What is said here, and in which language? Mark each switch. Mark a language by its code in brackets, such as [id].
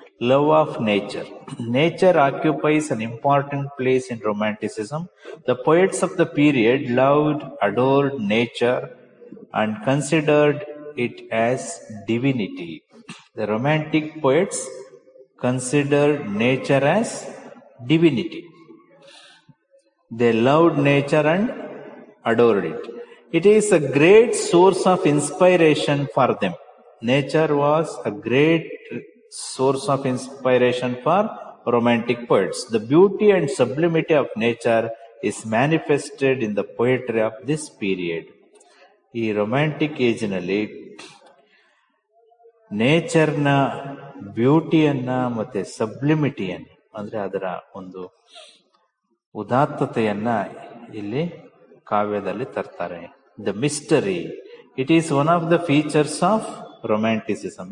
[en] Love of nature, nature occupies an important place in romanticism. The poets of the period loved adored nature and considered it as divinity. The romantic poets considered nature as divinity. They loved nature and adored it. It is a great source of inspiration for them. Nature was a great source of inspiration for romantic poets. The beauty and sublimity of nature is manifested in the poetry of this period. [kn] ಈ romantic age ನಲ್ಲಿ nature ನ beauty ಅನ್ನ ಮತ್ತೆ sublimity ಅನ್ನ ಅಂದ್ರೆ ಅದರ ಒಂದು ಉದಾತ್ತತೆಯನ್ನ ಇಲ್ಲಿ ಕಾವ್ಯದಲ್ಲಿ ತರ್ತಾರೆ. The mystery, it is one of the features of ರೊಮ್ಯಾಂಟಿಸಿಸಂ.